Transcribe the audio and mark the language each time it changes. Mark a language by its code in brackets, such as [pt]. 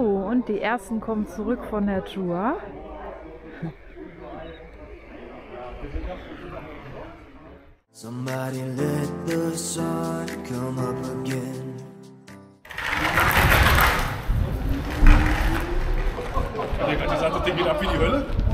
[de] Und die ersten kommen zurück von der Tour. [en] Somebody let the sun come up again. [de] Hat gerade gesagt, das Ding geht ab wie die Hölle?